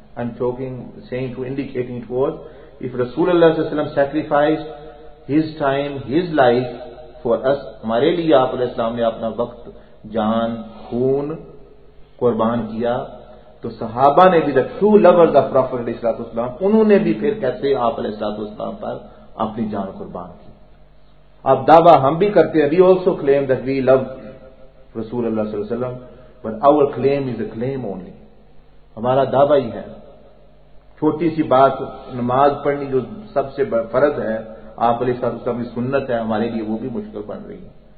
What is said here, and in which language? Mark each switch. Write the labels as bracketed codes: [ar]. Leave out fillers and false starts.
[en] I'm talking, saying to, indicating towards, if Rasulullah sallallahu alaihi wasallam sacrificed his time, his life for us, [ur] ہمارے لیے آپ علیہ السلام نے اپنا وقت, جان, خون قربان کیا, تو صحابہ نے بھی, [en] the true lovers of Prophet [ur] علیہ الصلوۃ والسلام, انہوں نے بھی پھر کیسے آپ علیہ الصلوۃ والسلام پر اپنی جان قربان کی. اب دعویٰ ہم بھی کرتے ہیں, [en] we also claim that we love Rasulullah sallallahu alaihi wasallam, but our claim is a claim only. [ur] ہمارا دعویٰ ہی ہے, چھوٹی سی بات نماز پڑھنی جو سب سے فرض ہے آپ علیہ الصلوۃ والسلام کی سنت ہے ہمارے لیے وہ بھی مشکل بن رہی ہے.